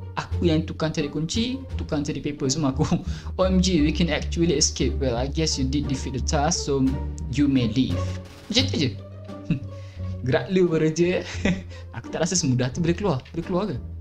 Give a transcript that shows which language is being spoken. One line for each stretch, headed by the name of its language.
Malay: Aku yang tukang cari kunci, tukang cari paper semua aku.
English: OMG, we can actually escape. Well, I guess you did defeat the task, so you may leave.
Malay: Macam tu je. Gerak lu bereja. Aku tak rasa semudah tu boleh keluar ke?